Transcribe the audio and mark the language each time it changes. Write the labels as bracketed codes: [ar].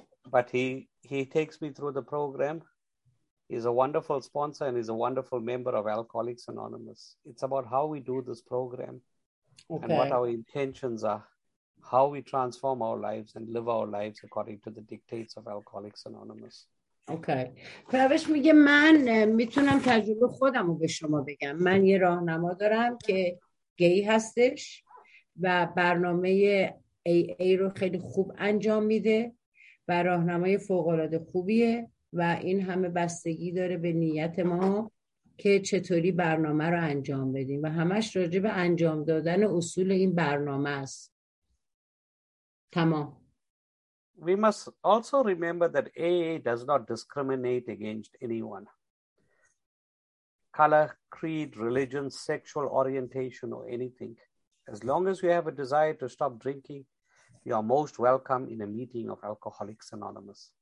[en] But he takes me through the program. He's a wonderful sponsor and he's a wonderful member of Alcoholics Anonymous. It's about how we do this program okay. and what our intentions are, how we transform our lives and live our lives according to the dictates of Alcoholics Anonymous. [fa] اوکی. پروش میگه من میتونم تجربه خودم رو به شما بگم. من یه راهنما دارم که گی هستش و برنامه AA رو خیلی خوب انجام میده و راهنمای فوق‌العاده خوبیه و این همه بستگی داره به نیت ما که چطوری برنامه رو انجام بدیم و همش راجع به انجام دادن اصول این برنامه است. تمام. [en] We must also remember that AA does not discriminate against anyone. Color, creed, religion, sexual orientation or anything. As long as you have a desire to stop drinking, you are most welcome in a meeting of Alcoholics Anonymous.